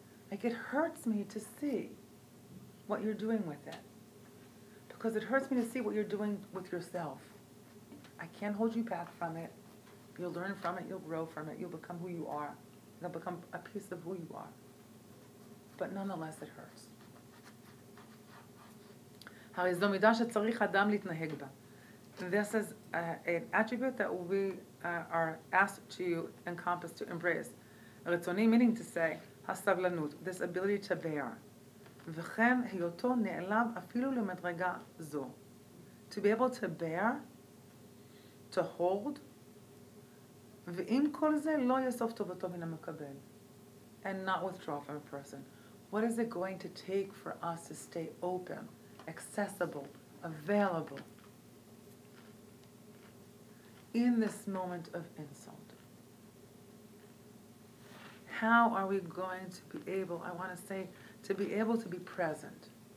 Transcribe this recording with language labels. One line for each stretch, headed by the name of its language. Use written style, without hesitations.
English: Like it hurts me to see what you're doing with it. Because it hurts me to see what you're doing with yourself. I can't hold you back from it. You'll learn from it. You'll grow from it. You'll become who you are. You'll become a piece of who you are. But nonetheless, it hurts.
Hebrew: הרי זו מידה שצריך אדם להתנהג בה.
English: This is an attribute that we are asked to encompass, to embrace. רצוני, meaning to say, הסבלנות, this ability to bear.
Hebrew: וכן היותו נעלב אפילו למדרגה זו.
English: To be able to bear, to hold,
Hebrew: ואם כל זה לא יסוף טובתו מן המקבל.
English: And not withdraw from a person. What is it going to take for us to stay open, accessible, available in this moment of insult? How are we going to be able, I want to say, to be able to be present?